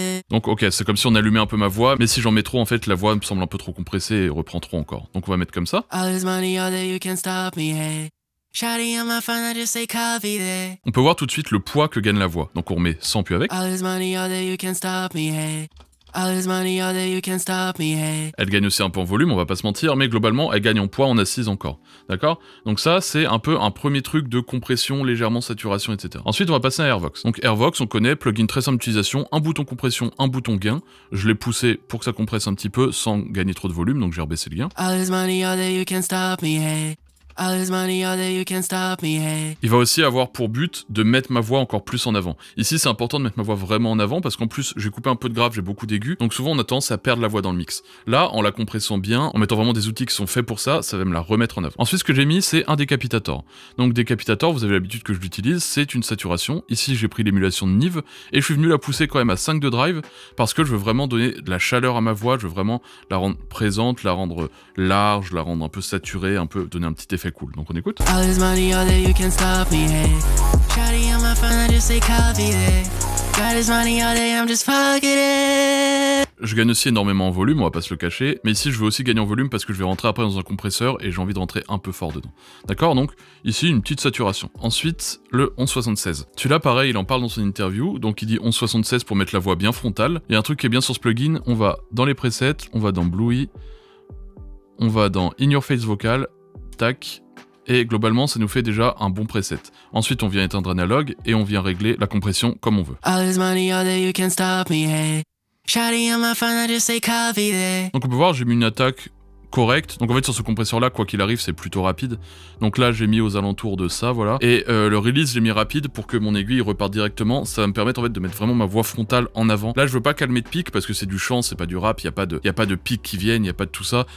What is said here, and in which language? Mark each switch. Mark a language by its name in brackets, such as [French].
[French] Donc ok, c'est comme si on allumait un peu ma voix, mais si j'en mets trop, en fait, la voix me semble un peu trop compressée et reprend trop encore. Donc on va mettre comme ça. [English] All this money all day, you can't stop me, hey. Shouting on my phone, I just say coffee, hey. [French] On peut voir tout de suite le poids que gagne la voix. Donc on remet 100 puis avec. [English] All this money all day, you can't stop me, hey. All this money, all day, you can't stop me, hey. [French] Elle gagne aussi un peu en volume, on va pas se mentir, mais globalement, elle gagne en poids, en assise encore. D'accord ? Donc ça, c'est un peu un premier truc de compression, légèrement saturation, etc. Ensuite, on va passer à AirVox. Donc AirVox, on connaît, plugin très simple d'utilisation, un bouton compression, un bouton gain. Je l'ai poussé pour que ça compresse un petit peu, sans gagner trop de volume, donc j'ai rebaissé le gain. [English] All this money, all day, you can't stop me, hey. All this money, all day, you can't stop me, hey. [French] Il va aussi avoir pour but de mettre ma voix encore plus en avant. Ici, c'est important de mettre ma voix vraiment en avant parce qu'en plus, j'ai coupé un peu de grave, j'ai beaucoup d'aigus. Donc souvent, on a tendance à perdre la voix dans le mix. Là, en la compressant bien, en mettant vraiment des outils qui sont faits pour ça, ça va me la remettre en avant. Ensuite, ce que j'ai mis, c'est un décapitator. Donc décapitator, vous avez l'habitude que je l'utilise, c'est une saturation. Ici, j'ai pris l'émulation de Neve et je suis venu la pousser quand même à 5 de drive parce que je veux vraiment donner de la chaleur à ma voix, je veux vraiment la rendre présente, la rendre large, la rendre un peu saturée, un peu donner un petit effet cool. Donc on écoute. [English] All this money all day, you can't stop me, hey. Shouting on my phone, I just say coffee, hey. Got this money all day, I'm just fucking it. [French] Je gagne aussi énormément en volume, on va pas se le cacher, mais ici je veux aussi gagner en volume parce que je vais rentrer après dans un compresseur et j'ai envie de rentrer un peu fort dedans. D'accord, donc ici une petite saturation. Ensuite, le 1176. Celui-là, pareil, il en parle dans son interview, donc il dit 1176 pour mettre la voix bien frontale. Et un truc qui est bien sur ce plugin, on va dans les presets, on va dans Bluey, on va dans In Your Face Vocal, tac, et globalement ça nous fait déjà un bon preset. Ensuite on vient éteindre analogue et on vient régler la compression comme on veut. [English] All this money, all day, you can't stop me, hey. Shouting on my phone, I just say coffee, hey. [French] Donc on peut voir, j'ai mis une attaque correcte. Donc en fait sur ce compresseur là, quoi qu'il arrive, c'est plutôt rapide. Donc là j'ai mis aux alentours de ça, voilà. Et le release, j'ai mis rapide pour que mon aiguille reparte directement. Ça va me permettre en fait de mettre vraiment ma voix frontale en avant. Là je veux pas calmer de pic parce que c'est du chant, c'est pas du rap, y a pas de pic qui viennent, y a pas de tout ça.